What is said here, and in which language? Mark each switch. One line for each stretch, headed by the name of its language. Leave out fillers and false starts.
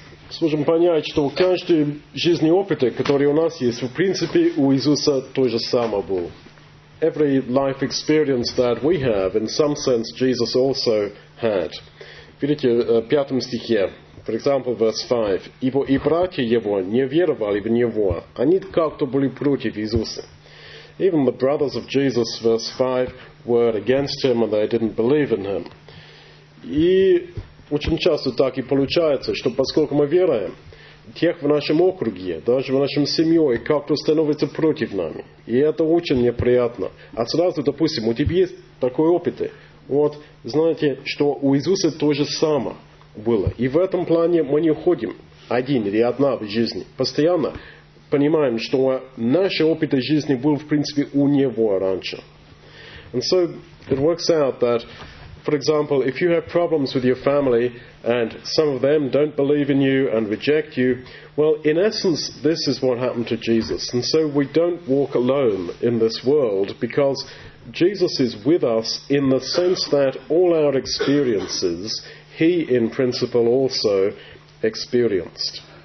Russian: Сможем понять, что каждый жизненный опыт, который у нас есть, в принципе, у Иисуса то же самое был.
English: Every life experience that we have, in some sense, Jesus also had.
Russian: Видите, в пятом стихе,
English: for example, verse 5.
Russian: «Ибо и братья его не веровали в него, они как-то были против Иисуса».
English: Even the brothers of Jesus, verse 5, were against him and they didn't believe in him.
Russian: И очень часто так и получается, что поскольку мы веруем, тех в нашем округе, даже в нашем семье, как-то становится против нами. И это очень неприятно. А сразу, допустим, у тебя есть такой опыт. Вот, знаете, что у Иисуса то же самое было. И в этом плане мы не уходим один или одна в жизни. Постоянно понимаем, что наш опыт жизни был, в принципе, у него раньше.
English: And so it works out that, for example, if you have problems with your family and some of them don't believe in you and reject you, well, in essence, this is what happened to Jesus. And so we don't walk alone in this world because Jesus is with us in the sense that all our experiences, he, in principle, also experienced.